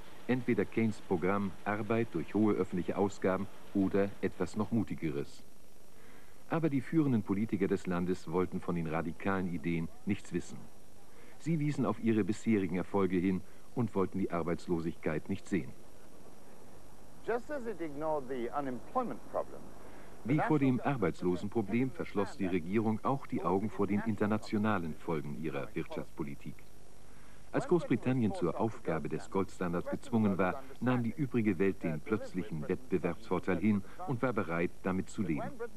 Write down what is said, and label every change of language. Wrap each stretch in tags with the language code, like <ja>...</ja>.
<de>Entweder Keynes Programm Arbeit durch hohe öffentliche Ausgaben oder etwas noch Mutigeres. Aber die führenden Politiker des Landes wollten von den radikalen Ideen nichts wissen. Sie wiesen auf ihre bisherigen Erfolge hin und wollten die Arbeitslosigkeit nicht sehen.</de> <en>Just as it ignored the unemployment problem.</en> <de>Wie vor dem Arbeitslosenproblem verschloss die Regierung auch die Augen vor den internationalen Folgen ihrer Wirtschaftspolitik. Als Großbritannien zur Aufgabe des Goldstandards gezwungen war, nahm die übrige Welt den plötzlichen Wettbewerbsvorteil hin und war bereit, damit zu leben.</de>